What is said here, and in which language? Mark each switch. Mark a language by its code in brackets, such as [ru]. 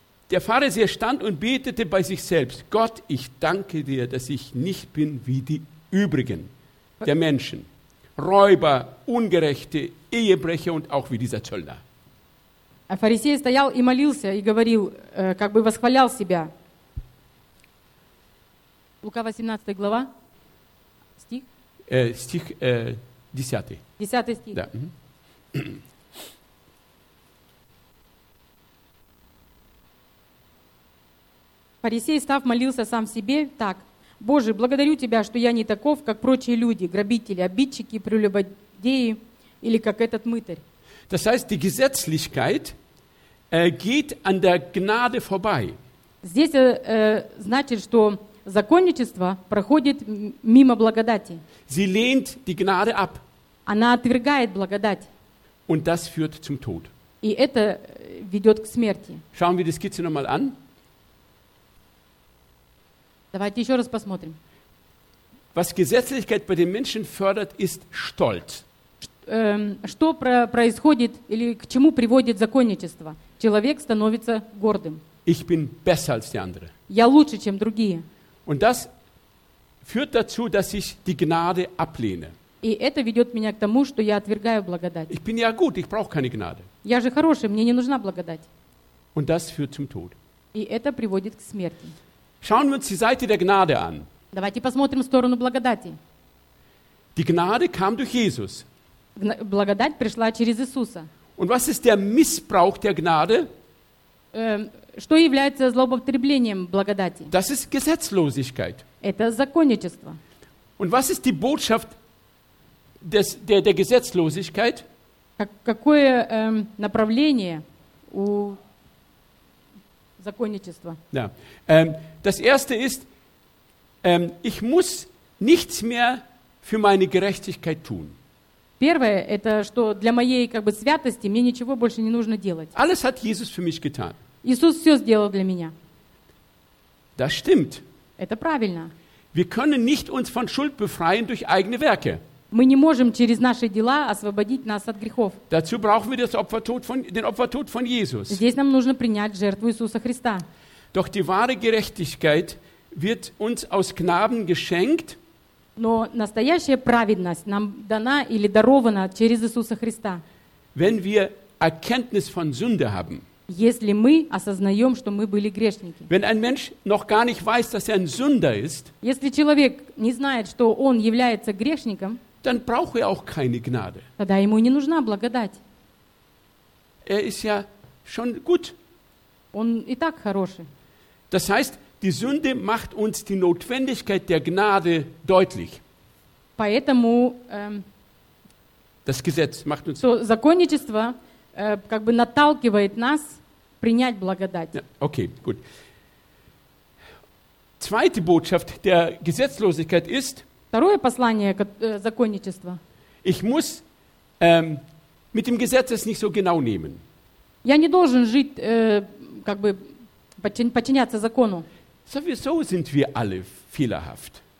[de] Der Pharisäer stand und betete bei sich selbst. Gott, ich danke dir, dass ich nicht bin wie die übrigen der Menschen. Räuber, Ungerechte, Ehebrecher und auch wie dieser Zöllner. [ru] А фарисей стоял и молился, и говорил, как бы восхвалял себя. Лука 18 глава, стих? Стих 10. 10 стих. Да. Фарисей, став, молился сам себе так. Боже, благодарю Тебя, что я не таков, как прочие люди, грабители, обидчики, прелюбодеи или как этот мытарь. [de] Das heißt, die Gesetzlichkeit geht an der Gnade vorbei. [ru] Здесь значит, что законничество проходит мимо благодати. [de] Sie lehnt die Gnade ab. [ru] Она отвергает благодать. [de] Und das führt zum Tod. [ru] И это ведет к смерти. [de] Schauen wir die Skizze nochmal an. [ru] Давайте еще раз посмотрим. [de] Was Gesetzlichkeit bei den Menschen fördert, ist Stolz. [ru] Что происходит или к чему приводит законничество? Человек становится гордым. [de] Ich bin besser als die andere. [ru] Я лучше, чем другие. [de] Und das führt dazu, dass ich die Gnade ablehne. [ru] И это ведет меня к тому, что я отвергаю благодать. [de] Ich bin ja gut, ich brauche keine Gnade. [ru] Я же хороший, мне не нужна благодать. [de] Und das führt zum Tod. [ru] И это приводит к смерти. [de] Schauen wir uns die Seite der Gnade an. [ru] Давайте посмотрим сторону благодати. [de] Die Gnade kam durch Jesus. [ru] Благодать пришла через Иисуса. [de] Und was ist der Missbrauch der Gnade? [ru] Что является злоупотреблением благодати? [de] Das ist Gesetzlosigkeit. [ru] Это законничество. [de] Und was ist die Botschaft der Gesetzlosigkeit? [ru] Какое направление у законничества? [de] Ja. Das erste ist, ich muss nichts mehr für meine Gerechtigkeit tun. [ru] Первое, это что для моей как бы святости мне ничего больше не нужно делать. [de] Alles hat Jesus für mich getan. [ru] Иисус все сделал для меня. [de] Das stimmt. [ru] Это правильно. [de] Wir können nicht uns von Schuld befreien durch eigene Werke. [ru] Мы не можем через наши дела освободить нас от грехов. [de] Dazu brauchen wir das Opfertod von, den Opfertod von Jesus. [ru] Здесь нам нужно принять жертву Иисуса Христа. [de] Doch die wahre Gerechtigkeit wird uns aus Gnaden geschenkt. [ru] Но настоящая праведность нам дана или дарована через Иисуса Христа. [de] Wenn wir Erkenntnis von Sünde haben. [ru] Если мы осознаем, что мы были грешники. [de] Wenn ein Mensch noch gar nicht weiß, dass er ein Sünder ist. [ru] Если человек не знает, что он является грешником. [de] Dann braucht er auch keine Gnade. [ru] Тогда ему не нужна благодать. [de] Er ist ja schon gut. [ru] Он и так хороший. [de] Das heißt, die Sünde macht uns die Notwendigkeit der Gnade deutlich. [ru] Поэтому [de] das Gesetz macht uns. [ru] So, законничество как бы наталкивает нас принять благодать. [de] Ja, okay, gut. Zweite Botschaft der Gesetzlosigkeit ist. [ru] Второе послание законничества. [de] Ich muss mit dem Gesetz es nicht so genau nehmen. [ru] Я не должен жить как бы подчиняться закону. [de] Sowieso sind wir alle fehlerhaft.